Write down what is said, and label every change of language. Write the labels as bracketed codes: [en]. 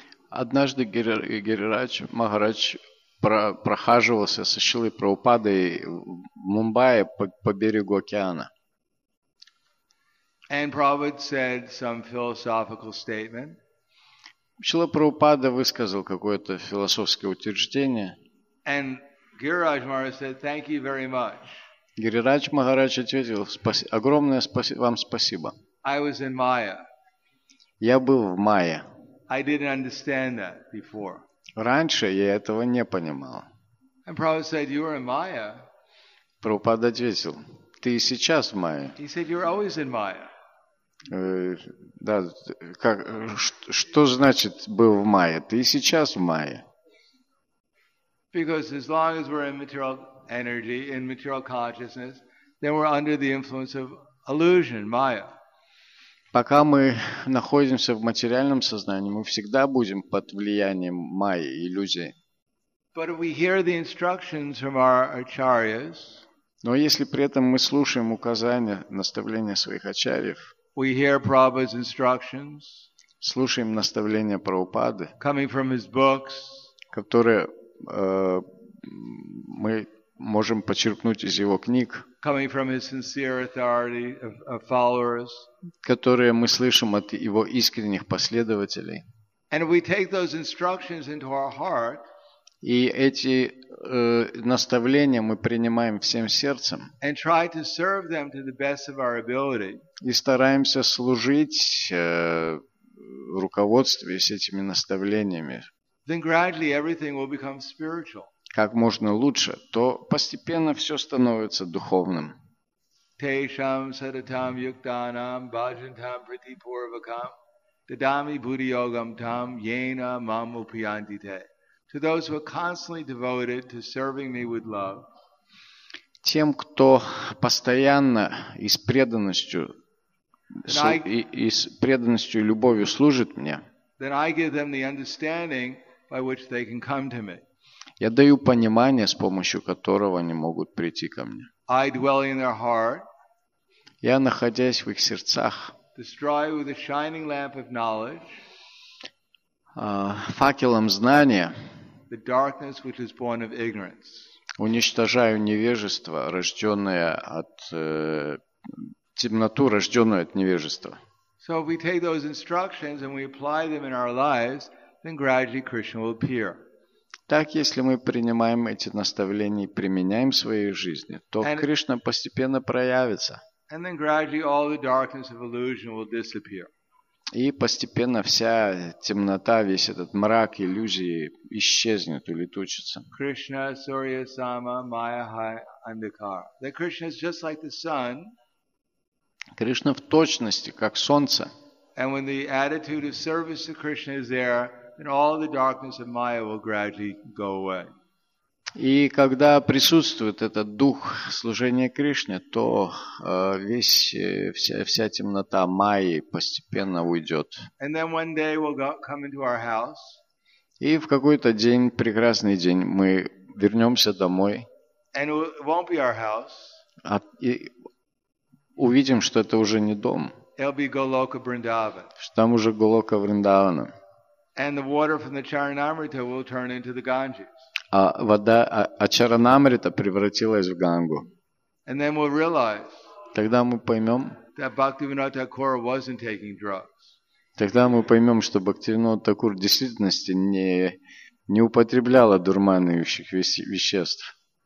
[ru] Однажды Гирирадж Махарадж прохаживался со Шилой Прабхупадой в Мумбаи по берегу океана. [en] And Prabhupada said some philosophical statement. [ru] Шила Прабхупада высказал какое-то философское утверждение. [en] And Гирирадж Махарадж said, "Thank you very much." [ru] Гирирадж Махарадж ответил: "Огромное вам спасибо." [en] I was in Maya. [ru] Я был в Майе. [en] I didn't understand that before. [ru] Раньше я этого не понимал. [en] And Prabhupada said, "You are in Maya." [ru] Прабхупада ответил: "Ты сейчас в Майе." [en] He said, "You're always in Maya." [ru] Да, как, что значит был в Майе? Ты сейчас в Майе. [en] Because as long as we're in material energy, in material consciousness, then we're under the influence of illusion, Maya. [ru] Пока мы находимся в материальном сознании, мы всегда будем под влиянием майи, иллюзии. [en] But if we hear the instructions from our acharyas, [ru] но если при этом мы слушаем указания, наставления своих ачарьев, [en] we hear Prabhupada's instructions, [ru] слушаем наставления Прабхупады, [en] coming from his books, [ru] которые мы можем почерпнуть из его книг, [en] coming from his sincere authority of followers, [ru] которые мы слышим от его искренних последователей. [en] And if we take those instructions into our heart, [ru] и эти наставления мы принимаем всем сердцем, [en] and try to serve them to the best of our ability, [ru] и стараемся служить руководствуясь этими наставлениями, [en] then gradually everything will become spiritual. [ru] Как можно лучше, то постепенно все становится духовным. [sa] Tesham Sadatam Yuktanam Bhajantam Priti Purvakam Dadami Buddhi Yogam Tam Yena Mamupiyantite. [en] To those who are constantly devoted to serving me with love. [ru] Тем, кто постоянно и с преданностью, и любовью служит мне, [en] then I give them the understanding by which they can come to me. [ru] Я даю понимание, с помощью которого они могут прийти ко мне. [en] I dwell in their heart, [ru] я, находясь в их сердцах, [en] destroy with the shining lamp of knowledge, [ru] факелом знания, [en] the darkness which is born of ignorance. [ru] Уничтожаю невежество, рожденное от темноту, рожденную от невежества. [en] So if we take those instructions and we apply them in our lives, then gradually Krishna will appear. [ru] Так, если мы принимаем эти наставления и применяем в своей жизни, то Кришна постепенно проявится. [en] And then gradually all the darkness of illusion will disappear. [ru] И постепенно вся темнота, весь этот мрак иллюзии исчезнет, улетучится. [bn] Krishna Surya Sama Maya Hai Andhakar. [en] That Krishna is just like the sun. [ru] Кришна в точности как солнце. [en] And when the attitude of service to Krishna is there, then all the darkness of Maya will gradually go away. [ru] И когда присутствует этот дух служения Кришне, то вся темнота Майи постепенно уйдет. [en] And then one day we'll come into our house, [ru] и в какой-то день, прекрасный день, мы вернемся домой. [en] And it won't be our house, [ru] и увидим, что это уже не дом. [en] It'll be Goloka Vrindavan. [ru] Что там уже Голока Вриндавана. [en] And the water from the Charanamrita will turn into the Ganges. [ru] А вода Ачаранамрита превратилась в Гангу. [en] And then we'll realize, [ru] тогда мы поймем, [en] that Bhaktivinoda Thakura wasn't taking drugs. [ru] Тогда мы поймем, что Бхактивинода Такур в действительности не употребляла дурманивших веществ.